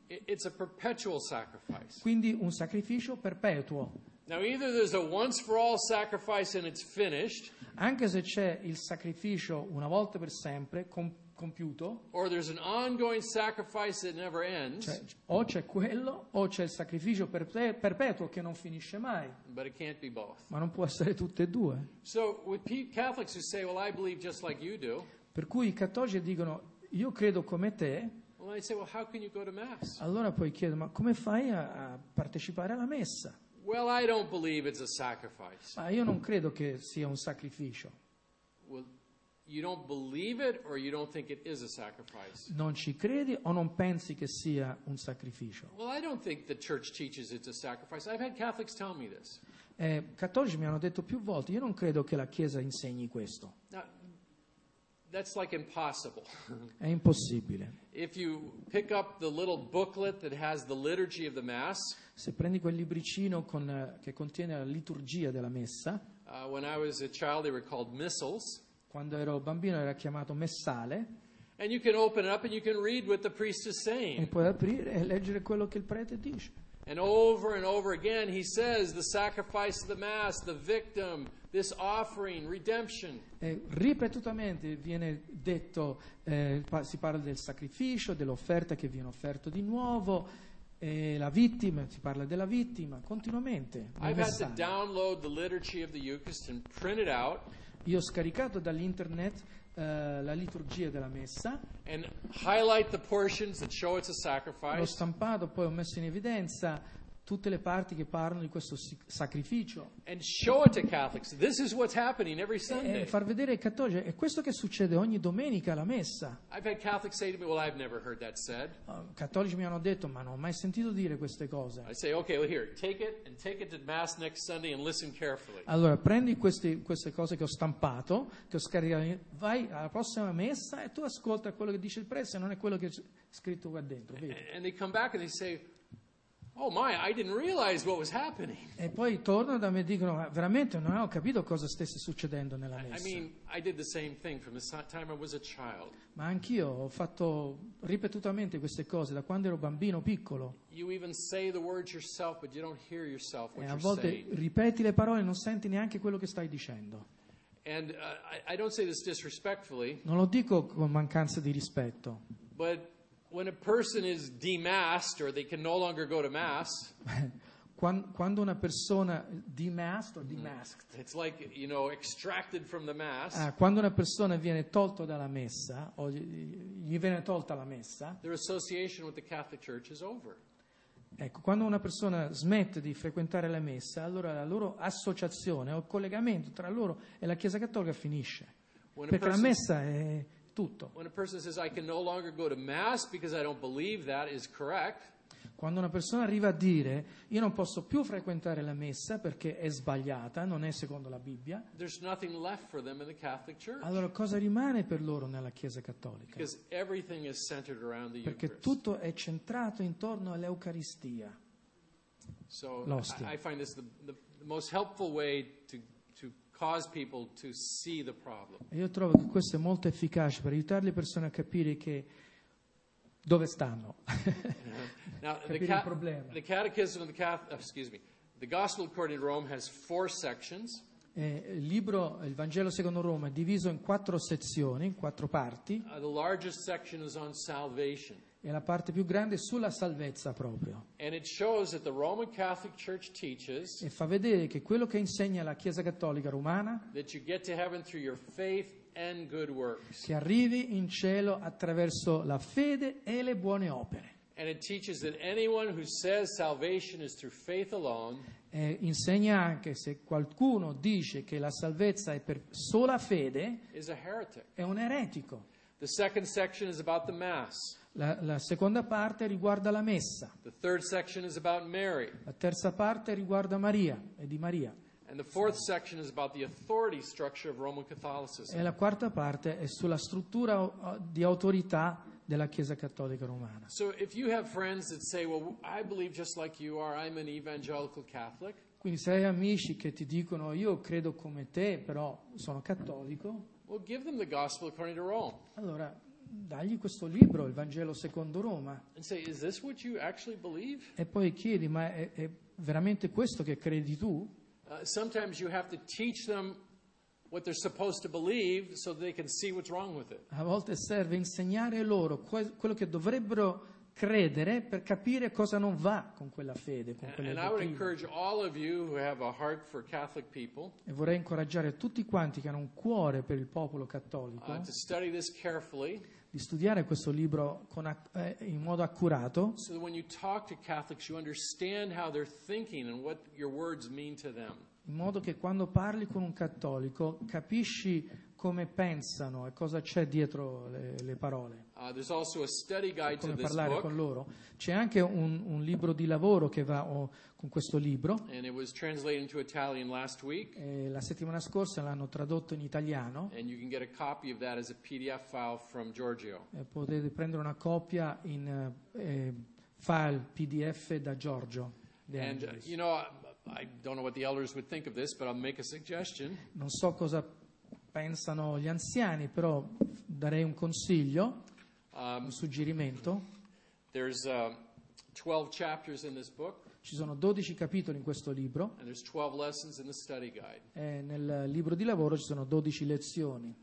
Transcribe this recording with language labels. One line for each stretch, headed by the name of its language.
English: It's a perpetual sacrifice.
Italian: Quindi un sacrificio perpetuo.
English: Now either there's a once for all sacrifice and it's finished.
Italian: Anche se c'è il sacrificio una volta per sempre compiuto.
English: Or there's an ongoing sacrifice that never ends.
Italian: Cioè, o c'è quello o c'è il sacrificio perpetuo che non finisce mai.
English: But it can't be both.
Italian: Ma non può essere tutte e due.
English: So with Catholics who say, "Well, I believe just like you do."
Italian: Per cui i cattolici dicono, "Io credo come te."
English: Well, I say, "Well, how can you go to mass?"
Italian: Allora poi chiedo, "Ma come fai a partecipare alla messa?"
English: Well, I don't believe it's a sacrifice.
Italian: Ma io non credo che sia un sacrificio.
English: Well, you don't believe it or you don't think it is a sacrifice.
Italian: Non ci credi o non pensi che sia un sacrificio?
English: Well, I don't think the church teaches it's a sacrifice. I've had Catholics tell me this.
Italian: Cattolici mi hanno detto più volte, io non credo che la Chiesa insegni questo.
English: Now, that's like impossible.
Italian: È impossibile.
English: If you pick up the little booklet that has the liturgy of the mass.
Italian: Se prendi quel libricino che contiene la liturgia della messa.
English: When I was a child, they were called missals.
Italian: Quando ero bambino era chiamato messale.
English: And you can open it up and you can read what the priest is saying.
Italian: E puoi aprire e leggere quello che il prete dice.
English: And over again, he says the sacrifice of the mass, the victim. This offering, redemption.
Italian: E ripetutamente viene detto, si parla del sacrificio, dell'offerta che viene offerto di nuovo, e la vittima, si parla della vittima, continuamente.
English: I've had to download the liturgy of the Eucharist and print it out.
Italian: Io ho scaricato dall'internet la liturgia della messa.
English: And highlight the portions that show it's a sacrifice.
Italian: L'ho stampato, poi ho messo in evidenza tutte le parti che parlano di questo sacrificio.
English: And show it to Catholics. This is what's happening every Sunday.
Italian: E far vedere ai cattolici è questo che succede ogni domenica alla messa.
English: I've had Catholics say to me, "Well, I've never heard that said."
Italian: Cattolici mi hanno detto, "Ma non ho mai sentito dire queste cose."
English: I say, "Okay, well here, take it and take it to mass next Sunday and listen carefully."
Italian: Allora, prendi queste cose che ho stampato, che ho scaricato, vai alla prossima messa e tu ascolta quello che dice il prete, non è quello che è scritto qua dentro, vedi?
English: And they come back and they say, "Oh my, I didn't realize what was happening."
Italian: E poi tornano da me e dicono, "Veramente non ho capito cosa stesse succedendo nella messa."
English: I mean, I did the same thing from the time I was a child.
Italian: Ma anch'io ho fatto ripetutamente queste cose da quando ero bambino piccolo.
English: You even say the words yourself, but you don't hear yourself what you're saying.
Italian: E a volte ripeti le parole e non senti neanche quello che stai dicendo.
English: And I don't say this disrespectfully.
Italian: Non lo dico con mancanza di rispetto.
English: But When a person is demasked or they can no longer go to mass.
Italian: Quando una persona
English: demasked or demasked. It's like, you know, extracted from the mass.
Italian: Quando una persona viene tolto dalla messa o gli viene tolta la messa.
English: Their association with the Catholic Church is over.
Italian: Ecco, quando una persona smette di frequentare la messa, allora la loro associazione o collegamento tra loro e la Chiesa Cattolica finisce. Perché la messa è tutto.
English: When a person says I can no longer go to mass because I don't believe that is correct.
Italian: Quando una persona arriva a dire io non posso più frequentare la messa perché è sbagliata, non è secondo la Bibbia.
English: There's nothing left for them in the Catholic Church.
Italian: Allora cosa rimane per loro nella Chiesa Cattolica?
English: Because everything is centered around the Eucharist.
Italian: Perché tutto è centrato intorno all'Eucaristia. So l'ostia.
English: I find this the most helpful way to cause people to see the problem.
Italian: Io trovo che questo è molto efficace per aiutare le persone a capire che dove stanno.
English: Now,
Italian: capire il problema.
English: The Catechism of the Catholic, excuse me, the Gospel according to Rome has four sections.
Italian: Il libro, il Vangelo secondo Roma, è diviso in quattro sezioni, in quattro parti.
English: The largest section is on salvation.
Italian: E la parte più grande è sulla salvezza proprio.
English: And it shows that the Roman Catholic Church teaches,
Italian: e fa vedere che quello che insegna la Chiesa Cattolica Romana,
English: that you get to heaven through your faith and good works.
Italian: Che arrivi in cielo attraverso la fede e le buone opere.
English: And it teaches that anyone who says salvation is through faith alone,
Italian: e insegna anche se qualcuno dice che la salvezza è per sola fede,
English: is a heretic.
Italian: È un eretico.
English: The second section is about the mass.
Italian: La seconda parte riguarda la messa.
English: The third section is about Mary.
Italian: La terza parte riguarda Maria e di Maria.
English: And the fourth section is about the authority structure of Roman Catholicism.
Italian: E la quarta parte è sulla struttura di autorità della Chiesa Cattolica Romana.
English: So if you have friends that say, well, I believe just like you are, I'm an evangelical Catholic.
Italian: Quindi se hai amici che ti dicono io credo come te, però sono cattolico.
English: Well, give them the Gospel according to Rome.
Italian: Allora, dagli questo libro, il Vangelo secondo Roma.
English: And say, is this what you actually believe?
Italian: E poi chiedi, ma è veramente questo che credi tu?
English: Sometimes you have to teach them what they're supposed to believe so they can see what's wrong with it.
Italian: A volte serve insegnare loro quello che dovrebbero credere per capire cosa non va con quella fede, con quella dottrina.
English: And I would encourage all of you who have a heart for Catholic people.
Italian: E vorrei incoraggiare tutti quanti che hanno un cuore per il popolo cattolico.
English: To study this carefully.
Italian: Di studiare questo libro in modo accurato.
English: So that when you talk to Catholics, you understand how they're thinking and what your words mean to them.
Italian: In modo che quando parli con un cattolico capisci come pensano e cosa c'è dietro le parole.
English: There's also a study guide
Italian: come
English: to
Italian: parlare
English: this book.
Italian: Con loro. C'è anche un libro di lavoro che va con questo libro.
English: And it was translated into Italian last week.
Italian: E la settimana scorsa l'hanno tradotto in italiano.
English: And you can get a copy of that as a PDF file from Giorgio.
Italian: E potete prendere una copia in file PDF da Giorgio.
English: And you know, I don't know what the elders would think of this, but I'll make a suggestion.
Italian: Non so cosa pensano gli anziani, però darei un consiglio, un suggerimento.
English: There's 12 chapters in this book.
Italian: Ci sono 12 capitoli in questo libro.
English: And there's 12 lessons in the study guide.
Italian: E nel libro di lavoro ci sono 12 lezioni.